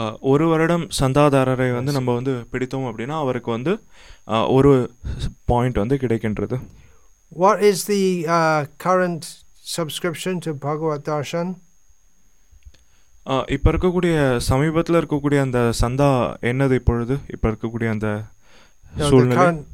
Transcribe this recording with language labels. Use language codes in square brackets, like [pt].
[ta] ஒரு வருடம் சந்தாதாரரை வந்து நம்ம வந்து பிடித்தோம் அப்படின்னா அவருக்கு வந்து ஒரு பாயிண்ட் வந்து கிடைக்கின்றது. [en] What is the current subscription to Bhagavad Darshan? [ta] இப்ப இருக்கக்கூடிய சமீபத்தில் இருக்கக்கூடிய அந்த சந்தா என்னது இப்பொழுது இப்ப இருக்கக்கூடிய அந்த சூழ்நிலை?